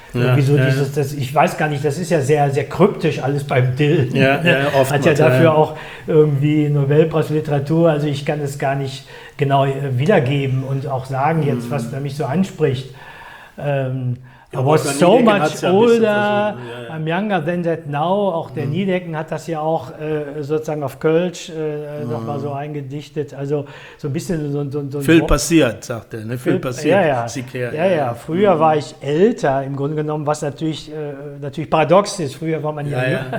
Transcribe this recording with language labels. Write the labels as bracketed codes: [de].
[de] Ich weiß gar nicht, das ist ja sehr, sehr kryptisch alles beim Dylan. Ja, ja, oft hat ja dafür auch irgendwie Nobelpreis Literatur. Also ich kann es gar nicht genau wiedergeben und auch sagen jetzt, was da mich so anspricht. [en] I'm younger than that now. [de] Auch der Niedecken hat das ja auch sozusagen auf Kölsch nochmal so eingedichtet. Also so ein bisschen so viel passiert, sagt er. Ne? Viel passiert. Ja. Früher war ich älter, im Grunde genommen, was natürlich paradox ist. Früher war man ja.